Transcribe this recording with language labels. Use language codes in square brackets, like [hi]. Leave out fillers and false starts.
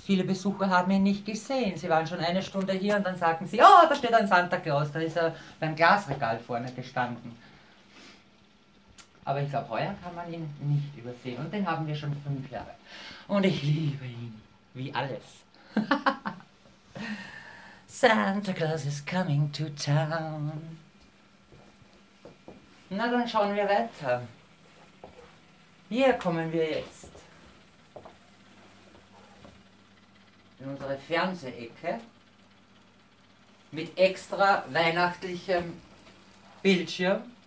[de] Viele Besucher haben ihn nicht gesehen. Sie waren schon eine Stunde hier und dann sagten sie, oh, da steht ein Santa Claus, da ist er beim Glasregal vorne gestanden. Aber ich glaube, heuer kann man ihn nicht übersehen. Und den haben wir schon 5 Jahre. Und ich liebe ihn, wie alles. [en] Santa Claus is coming to town. [de] Na, dann schauen wir weiter. Hier kommen wir jetzt in unsere Fernsehecke mit extra weihnachtlichem Bildschirm.